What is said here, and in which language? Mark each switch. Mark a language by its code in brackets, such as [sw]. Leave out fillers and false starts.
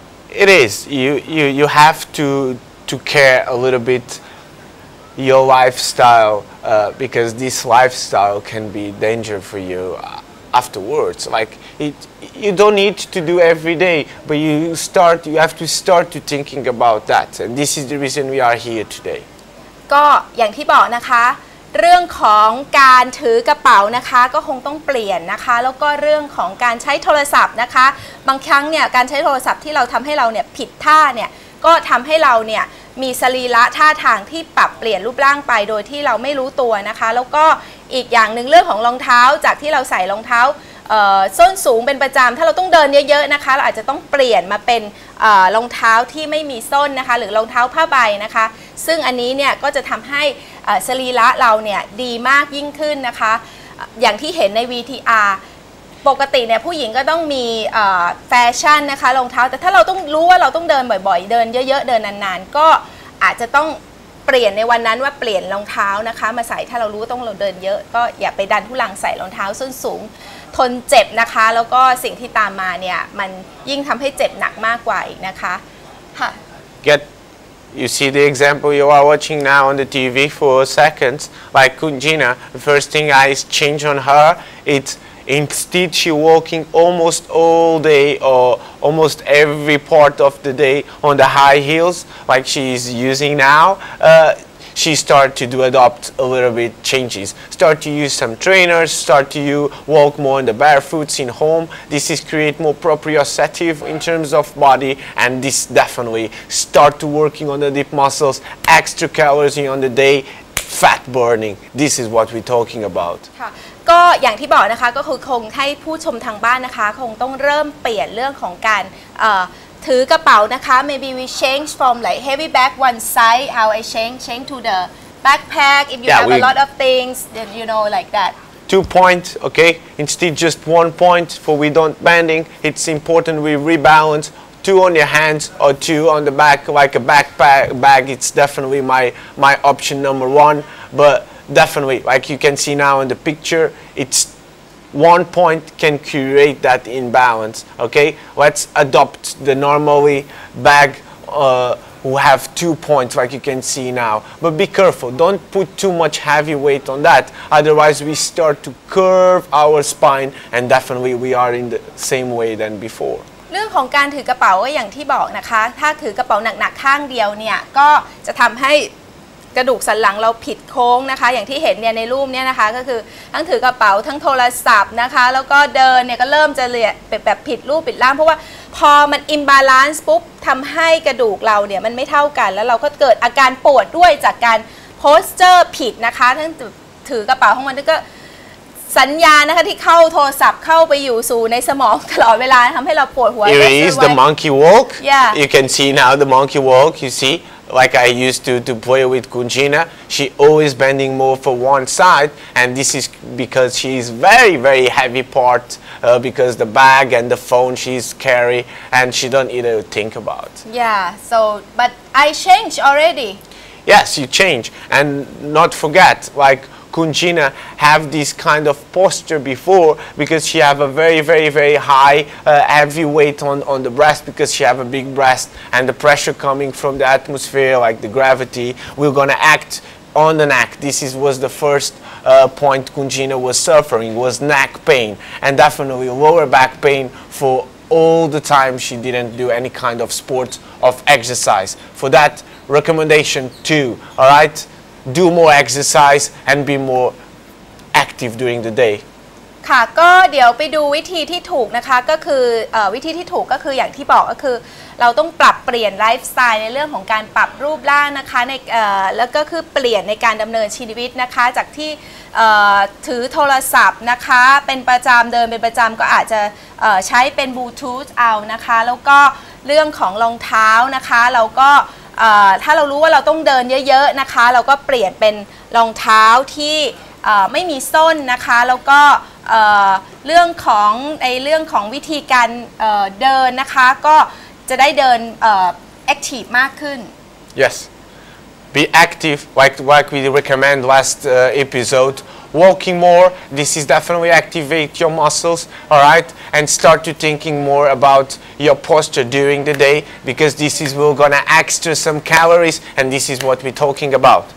[en] it is you have to care a little bit your lifestyle because this lifestyle can be danger for youAfterwards, like it, you don't need to do every day, but you start. You have to start to thinking about that, and this is the reason we are here today. [th] ก็อย่างที่บอกนะคะเรื่องของการถือกระเป๋านะคะก็คงต้องเปลี่ยนนะคะแล้วก็เรื่องของการใช้โทรศัพท์นะคะบางครั้งเนี่ยการใช้โทรศัพท์ที่เราทำให้เราเนี่ยผิดท่าเนี่ยก็ทำให้เราเนี่ยมีสรีระท่าทางที่ปรับเปลี่ยนรูปร่างไปโดยที่เราไม่รู้ตัวนะคะแล้วก็อีกอย่างหนึ่งเรื่องของรองเท้าจากที่เราใส่รองเท้า ส้นสูงเป็นประจำถ้าเราต้องเดินเยอะๆนะคะเราอาจจะต้องเปลี่ยนมาเป็นรองเท้าที่ไม่มีส้นนะคะหรือรองเท้าผ้าใบนะคะซึ่งอันนี้เนี่ยก็จะทำให้สรีระเราเนี่ยดีมากยิ่งขึ้นนะคะอย่างที่เห็นใน VTRปกติเนี่ยผู้หญิงก็ต้องมี แฟชั่นนะคะรองเท้าแต่ถ้าเราต้องรู้ว่าเราต้องเดินบ่อยๆเดินเยอะๆเดินนานๆก็อาจจะต้องเปลี่ยนในวันนั้นว่าเปลี่ยนรองเท้านะคะมาใส่ถ้าเรารู้ต้องเราเดินเยอะก็อย่าไปดันทุลังใส่รองเท้าส้นสูงทนเจ็บนะคะแล้วก็สิ่งที่ตามมาเนี่ยมันยิ่งทำให้เจ็บหนักมากกว่าอีกนะคะค่ะ [en] Get you see the example you are watching now on the TV for seconds like Kunjina the first thing I change on her it's Instead, she walking almost all day or almost every part of the day on the high heels, like she's using now. She start to do adopt a little bit changes. Start to use some trainers. Start to you walk more in the barefoots in home. This is create more proprioceptive in terms of body, and this definitely start to working on the deep muscles. Extra calories on the day, fat burning. This is what we're talking about. [th] ก็อย่างที่บอกนะคะก็คือคงให้ผู้ชมทางบ้านนะคะคงต้องเริ่มเปลี่ยนเรื่องของการถือกระเป๋านะคะ [en] maybe we change from like heavy bag one size how I change to the backpack if you yeah, have a lot of things then you know like that 2 points okay instead just 1 point for we don't bending it's important we rebalance 2 on your hands or 2 on the back like a backpack bag it's definitely my option number 1 but definitely like you can see now in the picture it's 1 point can create that imbalance, okay? Let's adopt the normally bag who have 2 points, like you can see now. But be careful, don't put too much heavy weight on that. Otherwise, we start to curve our spine and definitely we are in the same way than before. [th] เรื่องของการถือกระเป๋าอย่างที่บอกนะคะถ้าถือกระเป๋าหนักๆข้างเดียวเนี่ยก็จะทำให้กระดูกสันหลังเราผิดโค้งนะคะอย่างที่เห็นเนี่ยในรูปเนี่ยนะคะก็คือทั้งถือกระเป๋าทั้งโทรศัพท์นะคะแล้วก็เดินเนี่ยก็เริ่มจะเลี่ยแบบผิดรูปผิดร่างเพราะว่า พอมันอิมบาลานซ์ปุ๊บทำให้กระดูกเราเนี่ยมันไม่เท่ากันแล้วเราก็เกิดอาการปวดด้วยจากการโพสเจอร์ผิดนะคะทั้งถือกระเป๋าของมันก็สัญญานะคะที่เข้าโทรศัพท์เข้าไปอยู่สู่ในสมองตลอดเวลาทำให้เราปวดหัว [en] It is the monkey walk yeah. You can see now the monkey walk you seeLike I used to play with Gina, she always bending more for one side, and this is because she is very very heavy part because the bag and the phone she's carry and she don't even think about. Yeah. So, but I changed already. Yes, you change, and not forget like. Gina have this kind of posture before because she have a very very very high heavy weight on the breast because she have a big breast and the pressure coming from the atmosphere like the gravity we're gonna act on the neck this is was the first point Gina was suffering was neck pain and definitely lower back pain for all the time she didn't do any kind of sports of exercise for that recommendation too all rightdo more exercise and be more active during the day [th] ค่ะก็เดี๋ยวไปดูวิธีที่ถูกนะคะก็คือวิธีที่ถูกก็คืออย่างที่บอกก็คือเราต้องปรับเปลี่ยนไลฟ์สไตล์ในเรื่องของการปรับรูปร่างนะคะในแล้วก็คือเปลี่ยนในการดำเนินชีวิตนะคะจากที่ ถือโทรศัพท์นะคะเป็นประจำเดินเป็นประจำก็อาจจะใช้เป็นบลูทูธเอานะคะแล้วก็เรื่องของรองเท้านะคะเราก็ถ้าเรารู้ว่าเราต้องเดินเยอะๆนะคะเราก็เปลี่ยนเป็นรองเท้าที่ไม่มีส้นนะคะแล้วก็เรื่องของไอ้เรื่องของวิธีการเดินนะคะก็จะได้เดินแอคทีฟมากขึ้น [en] Yes be active like we recommend last episode walking more this is definitely activate your muscles all right and start to thinking more aboutyour posture during the day because this is we're gonna extra some calories and this is what we're talking about